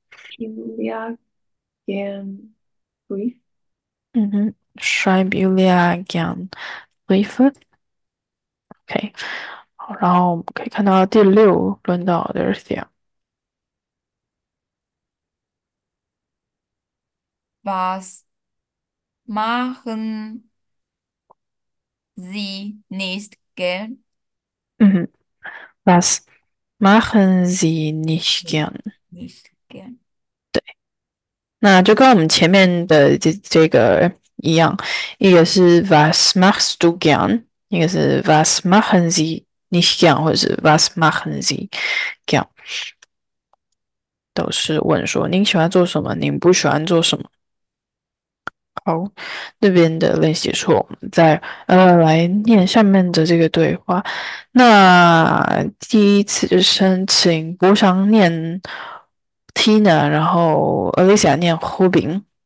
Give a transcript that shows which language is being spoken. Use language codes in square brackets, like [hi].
[en] Julia can breathe. Striped Julia can breathe. [zh] OK，好，然后我们可以看到第六轮到 Dorothy。 [de] Was machen Sie nicht gern? Was machen Sie nicht gern？ Nicht gern. [zh] 那就跟我们前面的这个一样，一个是 [de] Was machst du gern？ [zh] 一个是 [de] Was machen Sie nicht gern？ [zh] 或者是 [de] Was machen Sie gern？ [zh] 都是问说您喜欢做什么，您不喜欢做什么。好，那边的练习处，我们再来念下面的这个对话。那第一次申请，我想念 Tina，然后 Alicia 念 Hubin。